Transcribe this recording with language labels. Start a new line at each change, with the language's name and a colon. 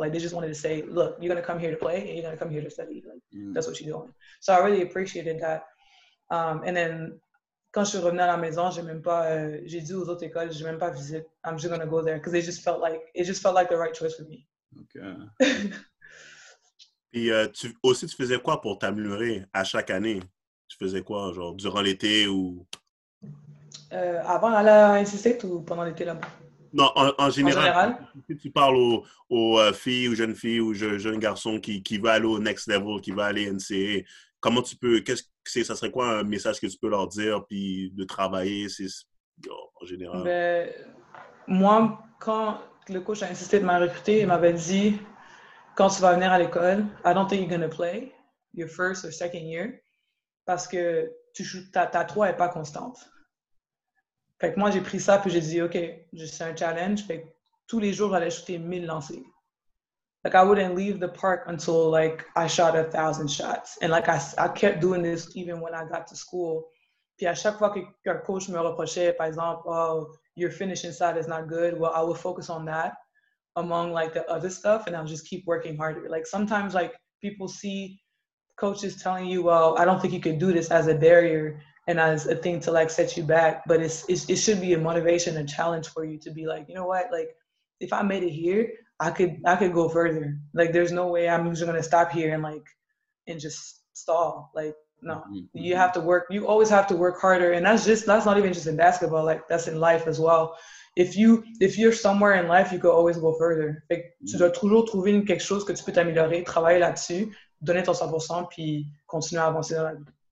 English: Like they just wanted to say, look, you're gonna come here to play and you're gonna come here to study. Like that's what you're doing. So I really appreciated that. And then
French: quand je suis revenue à la maison, j'ai dit aux autres écoles, j'ai même pas visité.
English: I'm just gonna go there because it just felt like the right choice for me. Okay.
French: Et tu faisais quoi pour t'améliorer à chaque année? Tu faisais quoi, genre, durant l'été ou... Avant d'aller à NC State ou pendant l'été là-bas? Non, en général? Si tu parles aux filles ou jeunes filles ou jeunes garçons qui veulent aller au next level, qui veulent aller à NCA, comment tu peux... ça serait quoi un message que tu peux leur dire puis de travailler, en général? Moi, quand le coach a insisté de m'a recruté, il m'avait dit... Quand tu vas venir à l'école,
English: I don't think you're going to play your first or second year
French: parce que ta 3 n'est pas constante. Fait que moi, j'ai pris ça et j'ai dit, OK, c'est un challenge. Fait que tous les jours, j'allais shooter 1000 lancers.
English: Like, I wouldn't leave the park until, like, I shot 1,000 shots. And, like, I kept doing this even when I got to school.
French: Puis à chaque fois qu'un coach me reprochait, par exemple,
English: oh, your finishing side is not good, well, I will focus on that. Among like the other stuff, and I'll just keep working harder. Like sometimes, like people see coaches telling you, "Well, I don't think you could do this," as a barrier and as a thing to like set you back. But it should be a motivation, a challenge for you to be like, you know what? Like if I made it here, I could go further. Like there's no way I'm just gonna stop here and just stall. Like no, mm-hmm. You have to work. You always have to work harder, and that's not even just in basketball. Like that's in life as well. If you're somewhere in life, you can always go further.
French: Fait que tu dois toujours trouver quelque chose que tu peux t'améliorer, travailler là-dessus, donner ton 100% puis continuer à avancer dans la vie.